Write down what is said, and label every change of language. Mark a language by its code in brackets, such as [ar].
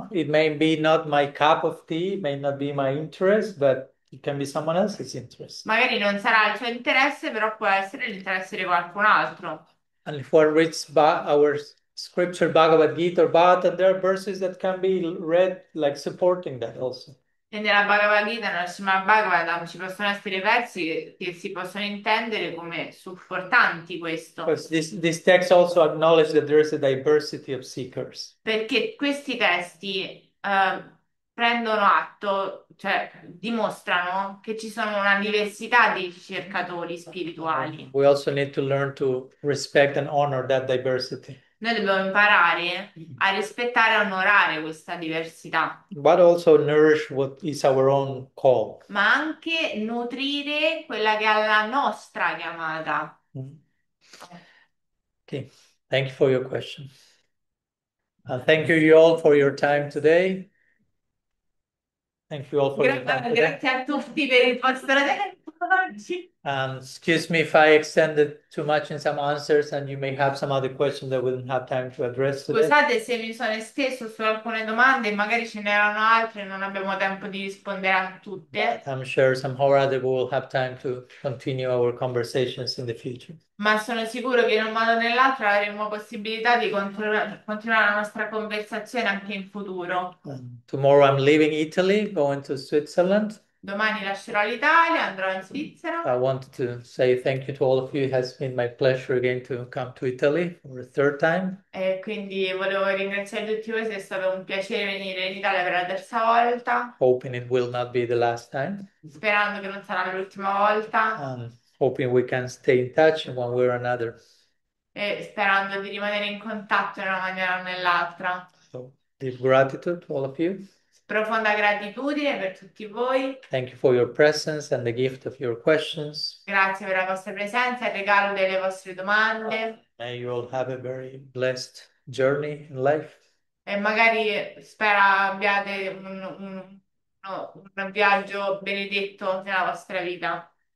[en] No, it may be not my cup of tea, may not be my interest, but it can be someone else's interest. [it] Magari non sarà il suo interesse, però può essere l'interesse di qualcun altro. [en] And if one reads our scripture Bhagavad Gita or Bhagavad, and there are verses that can be read like supporting that also. [it] E nella Bhagavad Gita, nella Srimad Bhagavatam, ci possono essere versi che si possono intendere come supportanti questo. [en] Because this text also acknowledge that there is a diversity of seekers. [it] Perché questi testi prendono atto, cioè dimostrano che ci sono una diversità di ricercatori spirituali. [en] We also need to learn to respect and honor that diversity. [it] Noi dobbiamo imparare a rispettare e onorare questa diversità, [en] But also nourish what is our own call. [it] ma anche nutrire quella che è la nostra chiamata. [en] Okay, thank you for your question. Thank you all for your time today. Thank you all for your time today. [it] Grazie a tutti per il vostro tempo oggi. [en] Excuse me if I extended too much in some answers and you may have some other questions that we didn't have time to address today. [it] Scusate se mi sono esteso su alcune domande, magari ce n'erano altre e non abbiamo tempo di rispondere a [en] But [it] tutte. [en] I'm sure somehow or other we will have time to continue our conversations in the future. [it] Ma sono sicuro che in un modo o nell'altro avremo possibilità di continuare la nostra conversazione anche in futuro. [en] Tomorrow I'm leaving Italy, going to Switzerland. [it] Domani lascerò l'Italia, andrò in Svizzera. [en] I wanted to say thank you to all of you. It has been my pleasure again to come to Italy for the third time. [it] E quindi volevo ringraziare tutti voi, è stato un piacere venire in Italia per la terza volta. [en] Hoping it will not be the last time. [it] Sperando che non sarà l'ultima volta. [en] And hoping we can stay in touch in one way or another. [it] E sperando di rimanere in contatto in una maniera o nell'altra. [en] So, deep gratitude to all of you. [it] Profonda gratitudine per tutti voi. [en] Thank you for your presence and the gift of your questions. [it] Grazie per la vostra presenza e il regalo delle vostre domande. [en] May you all have a very blessed journey in life. [it] E magari spero abbiate un viaggio benedetto nella vostra vita.